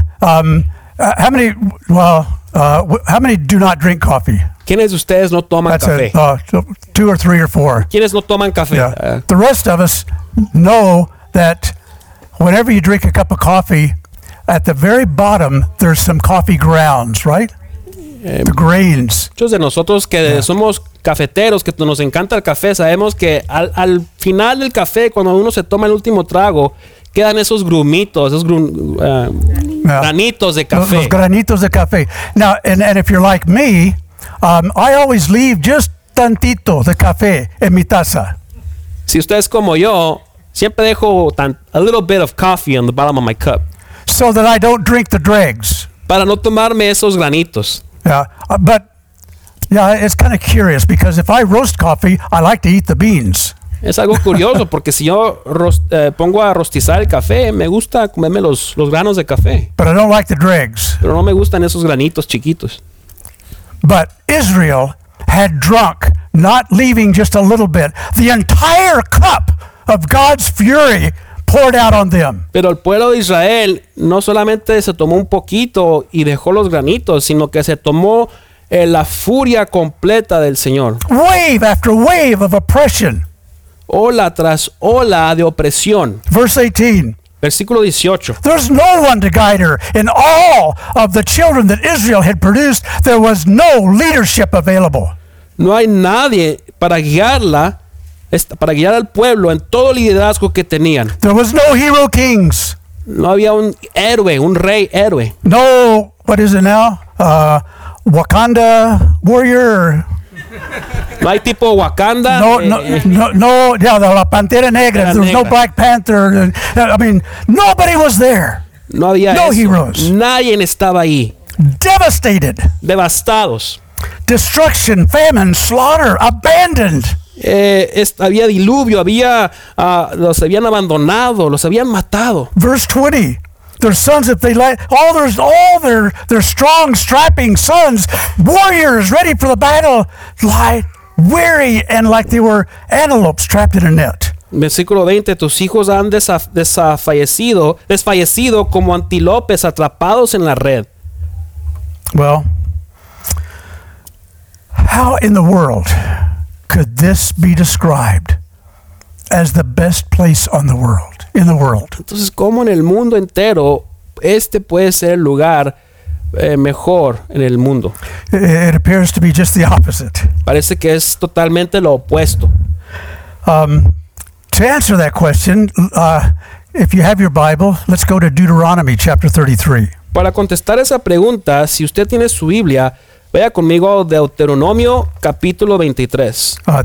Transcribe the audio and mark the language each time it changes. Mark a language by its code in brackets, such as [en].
[en] How many do not drink coffee? [es] ¿Quiénes de ustedes no toman [en] that's [es] café? [en] Two or three or four. [es] ¿Quiénes no toman café? [en] Yeah. The rest of us know that whenever you drink a cup of coffee, at the very bottom there's some coffee grounds, right? The grains. [es] Muchos de nosotros que somos cafeteros, que nos encanta el café, sabemos que al final del café, cuando uno se toma el último trago, quedan esos grumitos, esos granitos de café. Los granitos de café. [en] Now, and if you're like me, I always leave just [es] tantito de café en mi taza. Si usted es como yo, siempre dejo [en] a little bit of coffee on the bottom of my cup. So that I don't drink the dregs. [es] Para no tomarme esos granitos. [en] Yeah, but yeah, it's kind of curious because if I roast coffee, I like to eat the beans. [es] Es algo curioso porque si yo pongo a rostizar el café, me gusta comerme los granos de café. [en] But I don't like the dregs. [es] Pero no me gustan esos granitos chiquitos. [en] But Israel had drunk, not leaving just a little bit, the entire cup of God's fury poured out on them. [es] Pero el pueblo de Israel no solamente se tomó un poquito y dejó los granitos, sino que se tomó la furia completa del Señor. [en] Wave after wave of oppression. [es] Ola tras ola de opresión. [en] Verse 18. [es] Versículo 18. [en] There's no one to guide her. In all of the children that Israel had produced, there was no leadership available. [es] No hay nadie para guiarla. Para guiar al pueblo en todo liderazgo que tenían. [en] There was no hero kings. [es] No había un héroe, un rey héroe. [en] No, what is it now? Wakanda warrior. [es] No hay tipo Wakanda. No, la Pantera Negra. [en] There was no Black Panther. I mean, nobody was there. [es] No había [en] no heroes. [es] Nadie estaba ahí. [en] Devastated. [es] Devastados. [en] Destruction, famine, slaughter, abandoned. [es] Había diluvio, los habían abandonado, los habían matado. [en] Verse 20. Their sons, if they let all their strong, strapping sons, warriors ready for the battle, lie weary and like they were antelopes trapped in a net. [es] Versículo 20, tus hijos han desfallecido como antílopes atrapados en la red. [en] Well, how in the world could this be described as the best place on the world, in the world? [es] Entonces, ¿cómo en el mundo entero este puede ser el lugar mejor en el mundo? [en] It appears to be just the opposite. [es] Parece que es totalmente lo opuesto. [en] To answer that question, if you have your Bible, let's go to Deuteronomy chapter 33. [es] Para contestar esa pregunta, si usted tiene su Biblia, vaya conmigo a Deuteronomio capítulo 33.